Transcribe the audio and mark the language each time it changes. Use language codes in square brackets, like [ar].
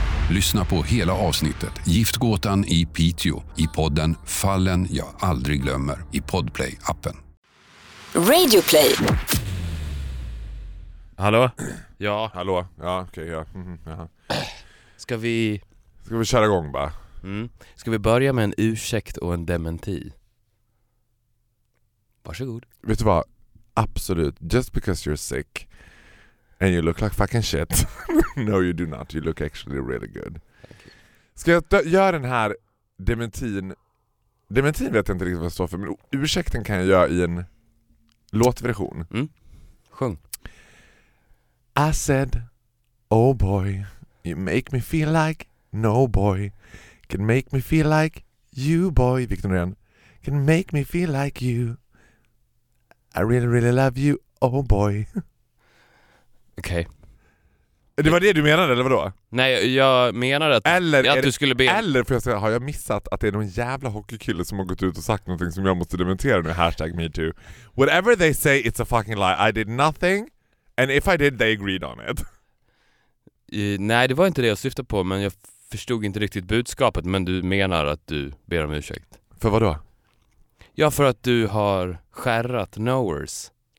[sv] Lyssna på hela avsnittet Giftgåtan i Piteå i podden Fallen jag aldrig glömmer i Podplay-appen. Radio Play. Hallå? Ja. Hallå? Ja, okej. Okay, ja. Ska vi köra igång bara? Ska vi börja med en ursäkt och en dementi? Varsågod. Vet du vad? Absolut. [en] Just because you're sick and you look like fucking shit. No, you do not. You look actually really good. [sv] Ska jag göra den här dementin? Dementin vet jag inte riktigt vad jag står för, men ursäkten kan jag göra i en låtversion. Sjung. [en] I said, oh boy, you make me feel like no boy can make me feel like you boy. Victor Norén. Can make me feel like you. I really, really love you, oh boy. [sv] Okej. Okay. Det var det du menade, eller vadå? Nej, jag menade att, du skulle be... Eller, för jag säga, har jag missat att det är någon jävla hockeykille som har gått ut och sagt någonting som jag måste dementera nu? Hashtag me too. [en] Whatever they say, it's a fucking lie. I did nothing. And if I did, they agreed on it. [sv] Nej, det var inte det jag syftade på, men jag förstod inte riktigt budskapet. Men du menar att du ber om ursäkt. För vad då? Ja, för att du har skärrat knowers.